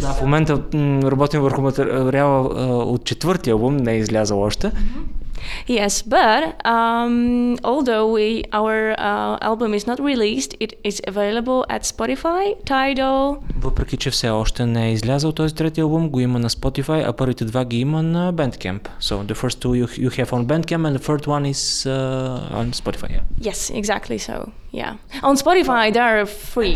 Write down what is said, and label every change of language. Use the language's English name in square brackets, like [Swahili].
[Bulgarian] Да, в момента работим върху материала от четвъртия албум, не е излязъл още. [English] Yes, but although our album is not released, it is available at Spotify, Tidal. [Bulgarian] Въпреки че все още не е излязъл този третия албум, го има на Spotify, а първите два ги има на Bandcamp. [English] So the first two you have on Bandcamp and the third one is on Spotify. Yeah. Yes, exactly so. Yeah. On Spotify they are free.